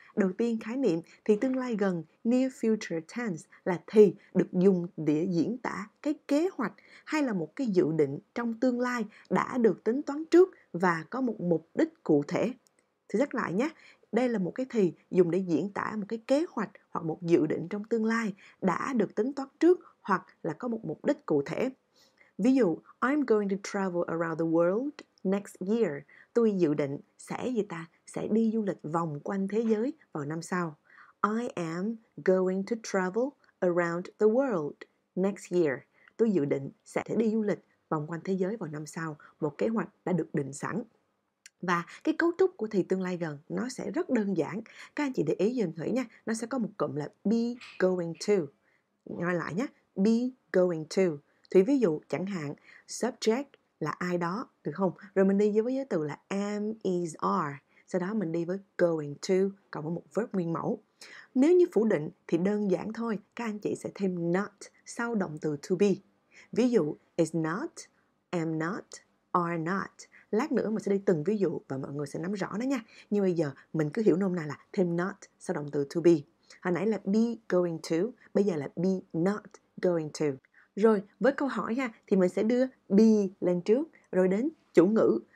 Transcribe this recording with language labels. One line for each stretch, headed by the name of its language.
Vietnamese: Đầu tiên, khái niệm thị tương lai gần, near future tense, là thì được dùng để diễn tả cái kế hoạch hay là một cái dự định trong tương lai đã được tính toán trước và có một mục đích cụ thể. Thì nhắc lại nhé, đây là một cái thì dùng để diễn tả một cái kế hoạch hoặc một dự định trong tương lai đã được tính toán trước hoặc là có một mục đích cụ thể. Ví dụ,
English: I'm going to travel around the world next year.
Vietnamese: Tôi dự định sẽ gì ta? Sẽ đi du lịch vòng quanh thế giới vào năm sau.
English: I am going to travel around the world next year.
Vietnamese: Tôi dự định sẽ đi du lịch vòng quanh thế giới vào năm sau. Một kế hoạch đã được định sẵn. Và cái cấu trúc của thì tương lai gần nó sẽ rất đơn giản. Các anh chị để ý giùm Thủy nha. Nó sẽ có một cụm là be going to. Nói lại nhé. Be going to. Thủy ví dụ chẳng hạn subject là ai đó, được không? Rồi mình đi với giới từ là am, is, are. Sau đó mình đi với going to, cộng với một verb nguyên mẫu. Nếu như phủ định thì đơn giản thôi, các anh chị sẽ thêm not sau động từ to be. Ví dụ, is not, am not, are not. Lát nữa mình sẽ đi từng ví dụ và mọi người sẽ nắm rõ nó nha. Nhưng bây giờ mình cứ hiểu nôm na là thêm not sau động từ to be. Hồi nãy là be going to, bây giờ là be not going to. Rồi, với câu hỏi nha, thì mình sẽ đưa be lên trước, rồi đến chủ ngữ.